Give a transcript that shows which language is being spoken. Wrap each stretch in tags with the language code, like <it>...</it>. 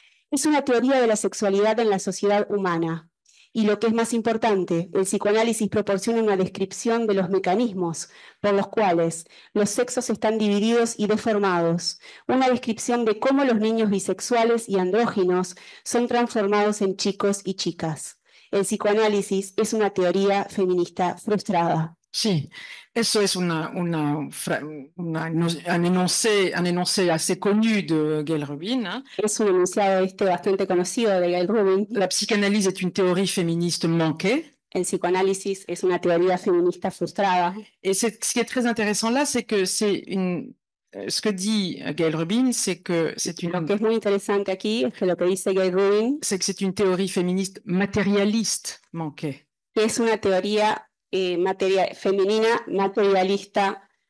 <es>Es una teoría de la sexualidad en la sociedad humana. Y lo que es más importante, el psicoanálisis proporciona una descripción de los mecanismos por los cuales los sexos están divididos y deformados, una descripción de cómo los niños bisexuales y andróginos son transformados en chicos y chicas. El psicoanálisis es una teoría feminista frustrada. Sí, eso es un</es> <fr>énoncé assez connu de Gail Rubin. Hein.</fr> <es>Es un enunciado bastante conocido de Gail Rubin. La psicanálisis</es> <fr>est une théorie féministe manquée.</fr> <es>El psicoanálisis es una teoría feminista frustrada.</es> <fr>Et ce qui est très intéressant là, c'est que ce que dit Gail Rubin, c'est que c'est une.</fr> <es>Lo que es muy interesante aquí es que lo que dice Gail Rubin.</es> <fr>C'est que c'est une théorie féministe matérialiste manquée.</fr> <es>Es una teoría materia femenina materialista</es>